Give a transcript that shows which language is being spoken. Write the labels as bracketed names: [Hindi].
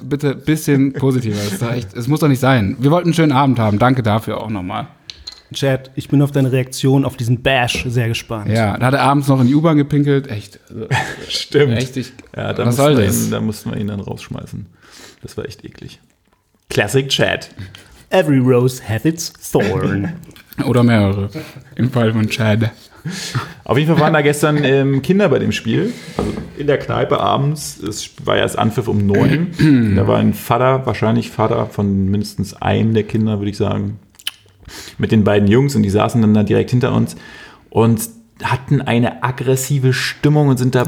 [German] Bitte ein bisschen positiver, es muss doch nicht sein. Wir wollten einen schönen Abend haben, danke dafür auch nochmal. Chad, ich bin auf deine Reaktion auf diesen Bash sehr gespannt. Ja, da hat er abends noch in die U-Bahn gepinkelt, echt. Stimmt. Richtig, ja, da mussten wir ihn dann rausschmeißen. Das war echt eklig. [English] Classic Chad. Every rose has its thorn. [German] Oder mehrere. Im Fall von Chad. Auf jeden Fall waren da gestern Kinder bei dem Spiel. Also in der Kneipe abends. Es war ja das Anpfiff um 9. Da war ein Vater, wahrscheinlich Vater von mindestens einem der Kinder, würde ich sagen, mit den beiden Jungs. Und die saßen dann da direkt hinter uns und hatten eine aggressive Stimmung und sind da.